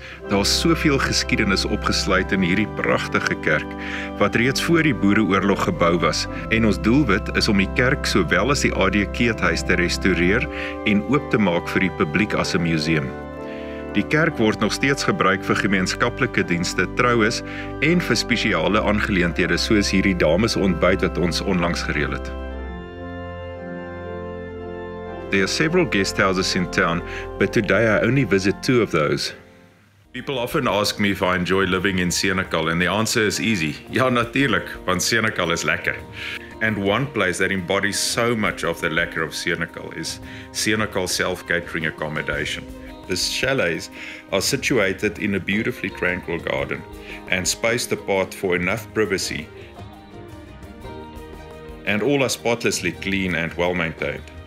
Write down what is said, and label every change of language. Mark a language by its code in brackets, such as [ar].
[af] Daar is soveel geskiedenis opgesluit in hierdie pragtige kerk wat reeds voor die Boereoorlog gebou was, en ons doelwit is om die kerk sowel as die ADK-huis te restoreer en oop te maak vir die publiek as 'n museum. Die kerk word nog steeds gebruik vir gemeenskaplike dienste, troues en vir spesiale aangeleenthede soos hierdie damesontbyt wat ons onlangs gereël het. [en] There are several guest houses in town, but today I only visit two of those. People often ask me if I enjoy living in Senegal, and the answer is easy. [af] Ja, natuurlijk, want Senegal is lekker. [en] And one place that embodies so much of the lekker of Senegal is Senegal self-catering accommodation. The chalets are situated in a beautifully tranquil garden and spaced apart for enough privacy, and all are spotlessly clean and well maintained.